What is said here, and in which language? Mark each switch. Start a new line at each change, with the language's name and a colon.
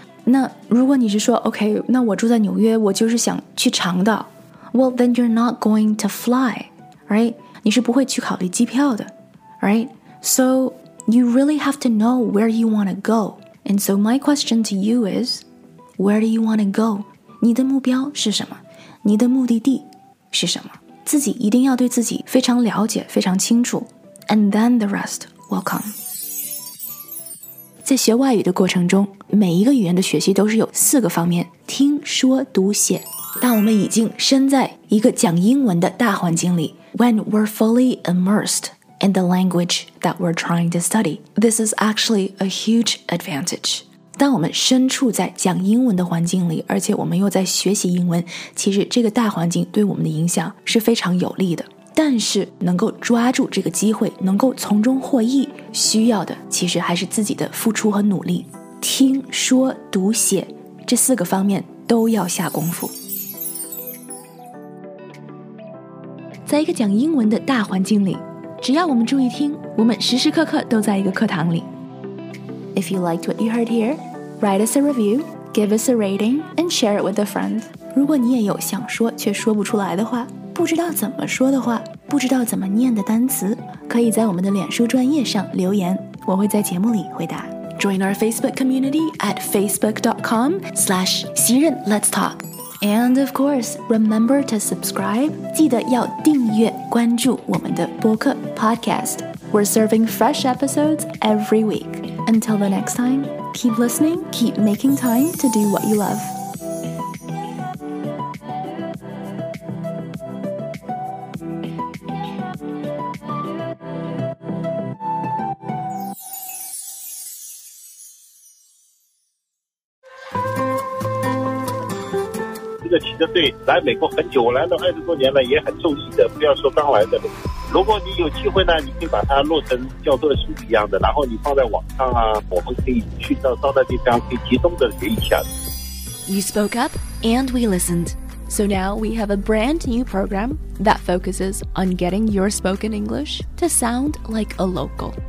Chinese: 那如果你是说 OK, 那我住在纽约我就是想去长岛
English: Well, then you're not going to fly Right?
Chinese: 你是不会去考虑机票的 Right?
English: SoYou really have to know where you want to go. And so my question to you is, where do you want to go?
Chinese: 你的目标是什么？你的目的地是什么？自己一定要对自己非常了解，非常清楚。
English: And then the rest will come.
Chinese: 在学外语的过程中，每一个语言的学习都是有四个方面，听、说、读、写。当我们已经身在一个讲英文的大环境里
English: when we're fully immersed,and the language that we're trying to study. This is actually a huge advantage.
Chinese: 当我们身处在讲英文的环境里，而且我们又在学习英文，其实这个大环境对我们的影响是非常有利的。但是能够抓住这个机会，能够从中获益，需要的其实还是自己的付出和努力。听、说、读、写，这四个方面都要下功夫。在一个讲英文的大环境里，只要我们注意听，我们时时刻刻都在一个课堂里。
English: If you liked what you heard here, write us a review, give us a rating, and share it with a friend.
Chinese: 如果你也有想说却说不出来的话，不知道怎么说的话，不知道怎么念的单词，可以在我们的脸书专页上留言，我会在节目里回答。
English: Join our Facebook community at facebook.com/Let's Talk. And of course, remember to subscribe.
Chinese: 记得要订阅关注我们的播客
English: podcast. We're serving fresh episodes every week. Until the next time, keep listening, keep making time to do what you love.
Chinese: 骑着队来美国很久来了20多年了也很中意的不要说刚来的如果你有机会呢你可以把它落成教科书一样的然后你放在网上啊我们可以去到那地方可以集中的学一下
English: You spoke up and we listened So now we have a brand new program that focuses on getting your spoken English to sound like a local